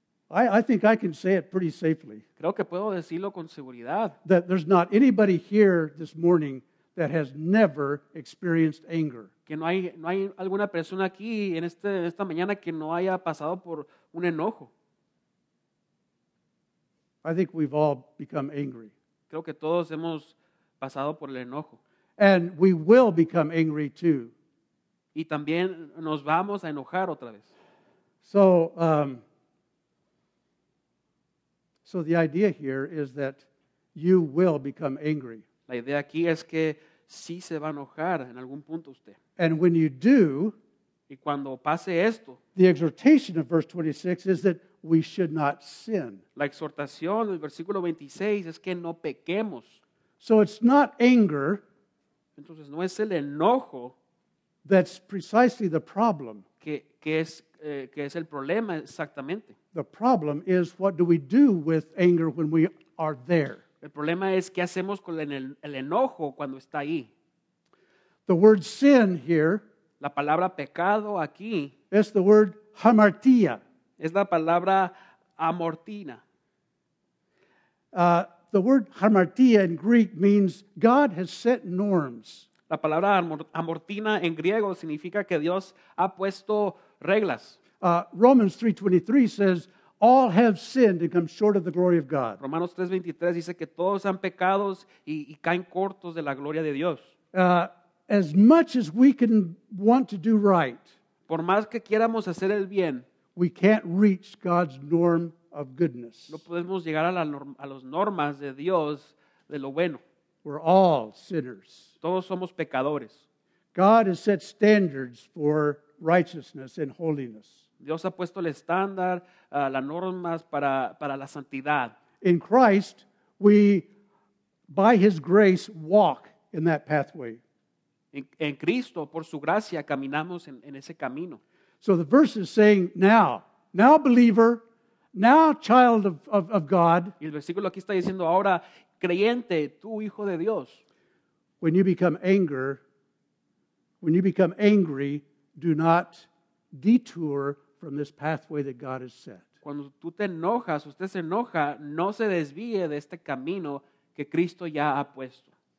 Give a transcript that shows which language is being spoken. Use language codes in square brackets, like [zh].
[en] I think I can say it pretty safely. [es] Creo que puedo decirlo con seguridad. [en] That there's not anybody here this morning that has never experienced anger. [es] Que no hay alguna persona aquí en esta mañana que no haya pasado por un enojo. [en] I think we've all become angry. [es] Creo que todos hemos pasado por el enojo. [en] And we will become angry too. [es] Y también nos vamos a enojar otra vez. [en] So the idea here is that you will become angry. [es] La idea aquí es que sí se va a enojar en algún punto usted. [en] And when you do, [es] y cuando pase esto, [en] the exhortation of verse 26 is that we should not sin. [es] La exhortación del versículo 26 es que no pequemos. [en] So it's not anger. [es] Entonces no es el enojo. [en] That's precisely the problem. [es] Que es el problema exactamente. [en] The problem is what do we do with anger when we are there. [es] El problema es qué hacemos con el enojo cuando está ahí. [en] The word sin here. [es] La palabra pecado aquí. [en] Es the word hamartia. [es] Es la palabra amortina. [en] The word hamartia in Greek means God has set norms. [es] La palabra amortina en griego significa que Dios ha puesto reglas. [en] Romans 3:23 says, all have sinned and come short of the glory of God. [es] Romanos 3:23 dice que todos han pecado y caen cortos de la gloria de Dios. [en] As much as we can want to do right, [es] por más que quieramos hacer el bien, [en] we can't reach God's norm of goodness. [es] No podemos llegar a las normas de Dios de lo bueno. [en] We're all sinners. [es] Todos somos pecadores. [en] God has set standards for righteousness and holiness. [es] Dios ha puesto el estándar, las normas para la santidad. [en] In Christ, we, by His grace, walk in that pathway. [es] En Cristo, por su gracia, caminamos en ese camino. [en] So the verse is saying, now believer, now child of God. [es] Y el versículo aquí está diciendo ahora, creyente, tú hijo de Dios. [en] When you become angry, do not detour from this pathway that God has set. [es] Cuando tú te enojas, usted se enoja, no se desvíe de este camino que Cristo ya ha puesto.